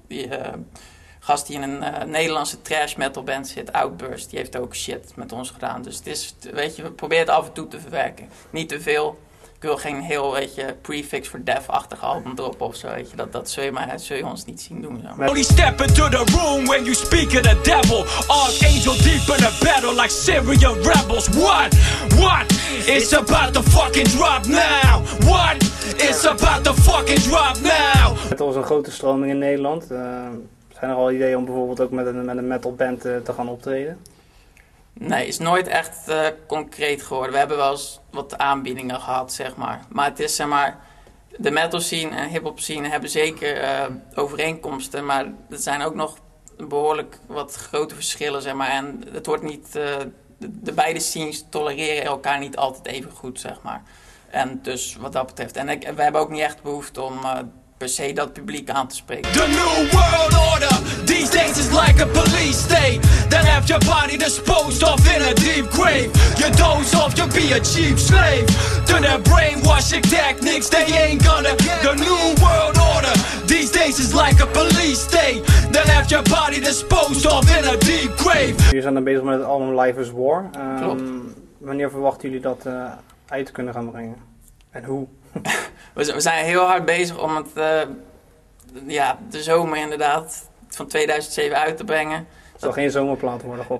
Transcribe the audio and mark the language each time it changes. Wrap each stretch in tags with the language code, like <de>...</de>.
<nl>Die gast die in een Nederlandse trash metal band zit, Outburst. Die heeft ook shit met ons gedaan. Dus het is, weet je, we proberen het af en toe te verwerken. Niet te veel. Ik wil geen heel, weet je, prefix voor def-achtig album drop of zo, weet je. Dat zul je maar, zul je ons niet zien doen.</nl> <en>Only step into the room when you speak of the devil. Archangel deep in a battle like Syrian rebels. What? What? It's about to fucking drop now. What? It's about to fucking drop now.</en> <nl>Het was een grote stroming in Nederland. Zijn er al ideeën om bijvoorbeeld ook met een metal band te gaan optreden? Nee, is nooit echt concreet geworden. We hebben wel eens wat aanbiedingen gehad, zeg maar. Maar het is, zeg maar, de metal scene en hiphop scene hebben zeker overeenkomsten. Maar er zijn ook nog behoorlijk wat grote verschillen, zeg maar. En het wordt niet, de beide scenes tolereren elkaar niet altijd even goed, zeg maar. En dus wat dat betreft. En we hebben ook niet echt behoefte om per se dat publiek aan te spreken.</nl> <en>The new world order, these days is like a police state. That have your body disposed of in a deep grave. You doze off, you'll be a cheap slave. To their brainwashing techniques, they ain't gonna get. The new world order, these days is like a police state. That have your body disposed of in a deep grave.</en> <nl>Jullie zijn dan bezig met het album Life is War. Klopt. Wanneer verwachten jullie dat uit te kunnen gaan brengen? En hoe? We zijn heel hard bezig om het de zomer inderdaad van 2007 uit te brengen. Het zal geen zomerplaat worden, God.</nl>